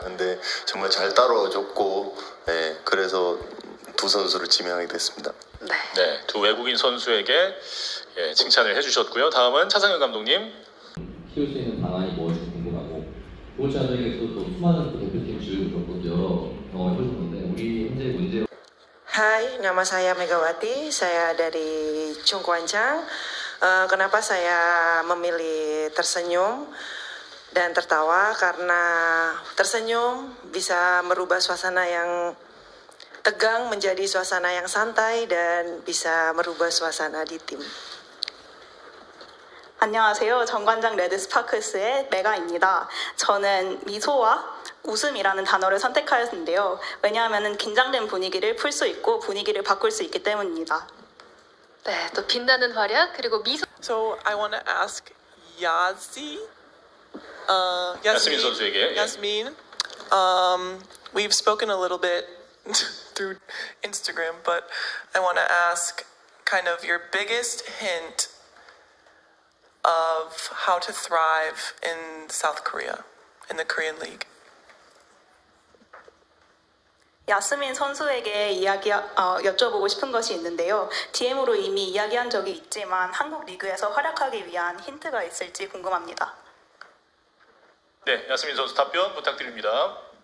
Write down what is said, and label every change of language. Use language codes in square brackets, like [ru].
[ko] 근데 정말 잘 따라줬고 예, 그래서 두 선수를 지명하게 됐습니다. 네, 두 외국인 선수에게 예, 칭찬을 해주셨고요. 다음은 차상현 감독님. 키울 수 있는 방안이 무엇인지 궁금하고 보호자들에게서 또 수많은 대표팀 주요 경험을 해줬는데 우리 현재 문제 [id] Hai, nama saya Megawati. Saya dari Cungkuancang. Kenapa saya memilih tersenyum dan tertawa? Karena tersenyum bisa merubah suasana yang tegang menjadi suasana yang santai dan bisa merubah suasana di tim. [ko] 안녕하세요. 정관장 레드 스파크스의 메가입니다. 저는 미소와 웃음이라는 단어를 선택하였는데요. 왜냐하면 긴장된 분위기를 풀 수 있고 분위기를 바꿀 수 있기 때문입니다. 네, 또 빛나는 활약 그리고 미소. [en] So I want to ask Yazzie, [ko] Yasmin 선수에게. [en] Yasmin, we've spoken a little bit through Instagram, but I want to ask kind of your biggest hint of how to thrive in South Korea, in the Korean League. [ko] 야스민 선수에게 이야기 여쭤보고 싶은 것이 있는데요. DM으로 이미 이야기한 적이 있지만 한국 리그에서 활약하기 위한 힌트가 있을지 궁금합니다. 네, 야스민 선수 답변 부탁드립니다.